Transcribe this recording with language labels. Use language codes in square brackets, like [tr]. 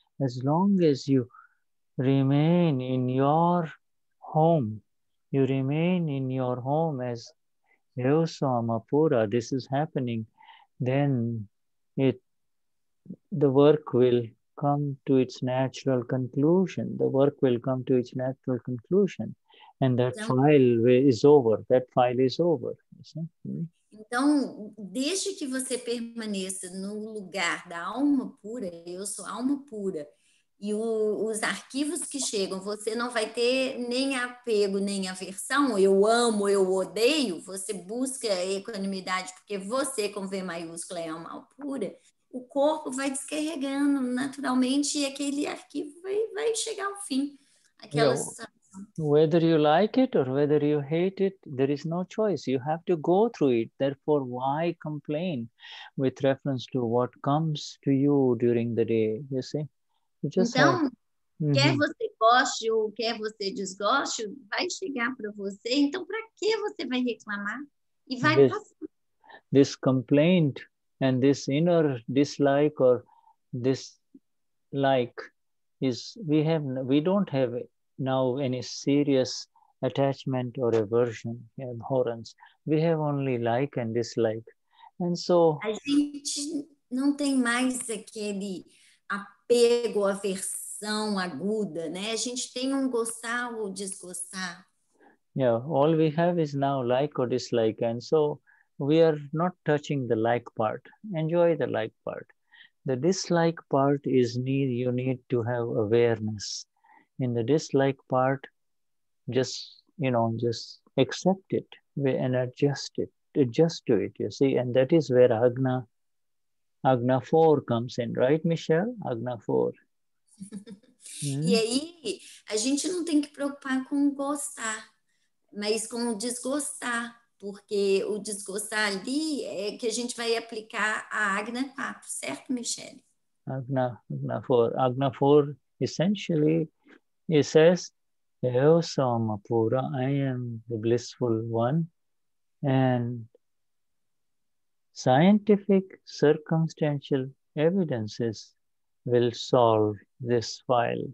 [en] As long as you remain in your home, you remain in your home as Eso Amapura, this is happening, then the work will come to its natural conclusion. The work will come to its natural conclusion. And that então, file is over. That file is over. [pt] Então, desde que você permaneça no lugar da alma pura, eu sou alma pura, e os arquivos que chegam, você não vai ter nem apego, nem aversão, eu amo, eu odeio, você busca equanimidade, porque você, com V maiúscula, é a alma pura, o corpo vai descarregando naturalmente e aquele arquivo vai chegar ao fim. [en] Whether you like it or whether you hate it, there is no choice. You have to go through it. Therefore, why complain with reference to what comes to you during the day, you see? [pt] Então, quer você goste ou quer você desgoste, vai chegar para você. Então, para que você vai reclamar? E vai passar. [en] This complaint and this inner dislike or this like is we don't have now any serious attachment or aversion, abhorrence. We have only like and dislike. And so [pt] a gente não tem mais aquele apego, aversão aguda, né? A gente tem gostar ou desgostar. [en] Yeah, all we have is now like or dislike, and so we are not touching the like part. Enjoy the like part. The dislike part is you need to have awareness. In the dislike part, just accept it and adjust to it, you see? And that is where Agna 4 comes in, right, Michelle? Agna 4. [pt] E aí, a gente não tem que preocupar com gostar, mas com desgostar, porque o desgostar ali é que a gente vai aplicar a Agna 4, certo, Michelle? Agna 4. [en] Agna 4, essentially, it says, [pt] Eu sou Amapura, [en] I am the blissful one, and scientific circumstantial evidences will solve this file.